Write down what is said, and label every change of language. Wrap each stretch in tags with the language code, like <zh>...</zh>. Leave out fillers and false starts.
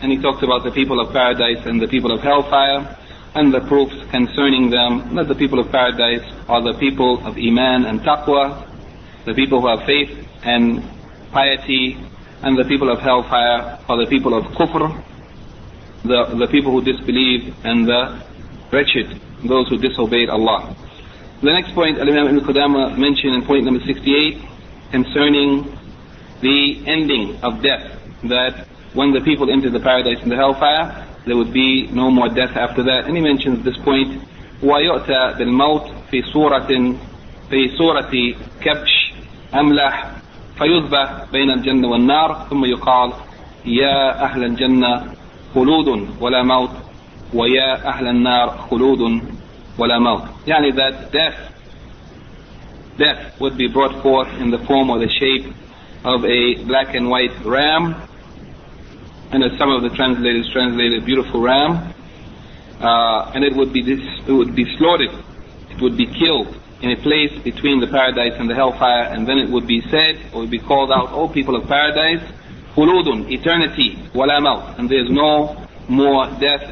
<en>And he talked about the people of paradise and the people of hellfire, and the proofs concerning them, that the people of paradise are the people of iman and taqwa, the people who have faith and piety, and the people of hellfire are the people of kufr, the people who disbelieve, and the wretched, those who disobeyed Allah. The next point Al-Imam Ibn Qudama mentioned in point number 68, concerning the ending of death, that when the people enter the paradise and the hellfire, there would be no more death after that. And he mentions this point,</en> <ar>وَيُؤْتَى بِالْمَوْتِ فِي سُورَةٍ فِي سُورَةِ كَبْشِ أَمْلَحِ فَيُذْبَحُ بَيْنَ الْجَنَّةِ وَالنَّارِ ثُمَّ يُقَالُ يَا أَهْلَ الْجَنَّةِ خُلُودٌ وَلَا مَوْتِ وَيَا أَهْلَ النَّارِ خُلُودٌ وَلَا مَوْتِ.</ar> <en>Yani that death would be brought forth in the form or the shape of a black and white ram, and as some of the translators translated, beautiful ram, and it would be slaughtered, it would be killed in a place between the paradise and the hellfire, and then it would be said, or it would be called out, O people of paradise, khuludun, eternity, wala maut, and there's no more death.</en>